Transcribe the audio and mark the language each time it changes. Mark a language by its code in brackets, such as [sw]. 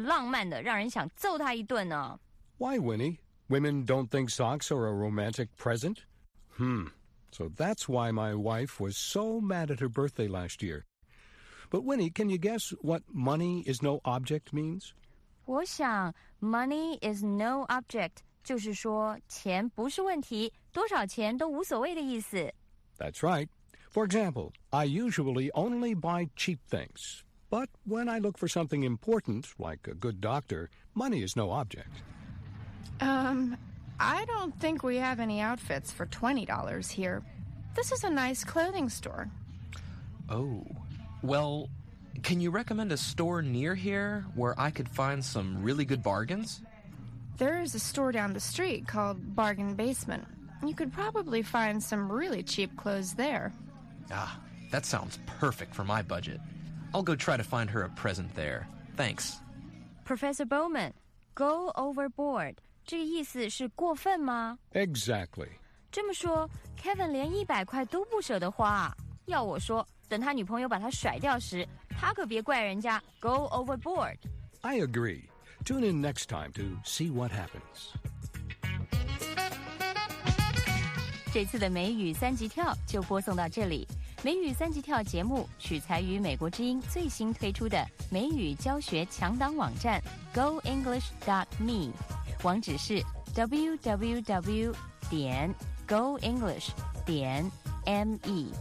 [zh] 啊，他的budget预算只有20块。我看这些钱只够给人家买双袜子的。Kevin啊，真是浪漫的，让人想揍他一顿呢。 [en] Why, Winnie? Women don't think socks are a romantic present? So that's why my wife was so mad at her birthday last year. But Winnie, can you guess what money is no object means? [zh] 我想 [en] money is no object [zh] 就是说钱不是问题，多少钱都无所谓的意思。 [en] That's right. For example, I usually only buy cheap things. But when I look for something important, like a good doctor, money is no object. I don't think we have any outfits for $20 here. This is a nice clothing store. Oh, well, can you recommend a store near here where I could find some really good bargains? There is a store down the street called Bargain Basement. You could probably find some really cheap clothes there. Ah, that sounds perfect for my budget. I'll go try to find her a present there. Thanks. Professor Bowman, go overboard. [zh] 这意思是过分吗? [en] Exactly. [zh] 这么说, Kevin连100块都不舍得花。要我说, 等他女朋友把他甩掉时，他可别怪人家 [en] go overboard. I agree. Tune in next time to see what happens. [zh] 这次的美语三级跳就播送到这里。美语三级跳节目取材于美国之音最新推出的美语教学强档网站 goenglish.me， 网址是 www.goenglish.me。